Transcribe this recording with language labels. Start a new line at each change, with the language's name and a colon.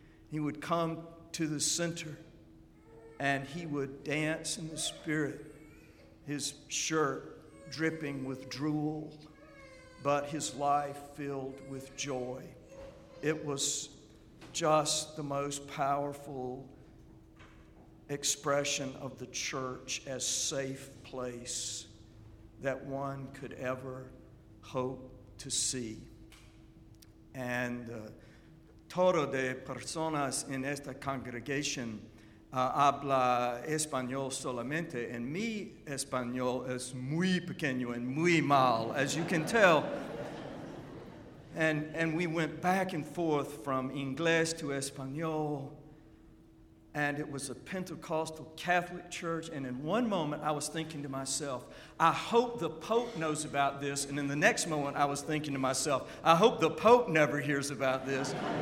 English: He would come to the center, and he would dance in the spirit, his shirt dripping with drool, but his life filled with joy. It was just the most powerful expression of the church as a safe place that one could ever hope to see.
Spanish: And todo de personas en esta congregación habla español solamente, and mi español es muy pequeño and muy mal,
English: as you can tell. And we went back and forth from inglés to español, and it was a Pentecostal Catholic church, and in one moment I was thinking to myself, I hope the Pope knows about this, and in the next moment I was thinking to myself, I hope the Pope never hears about this.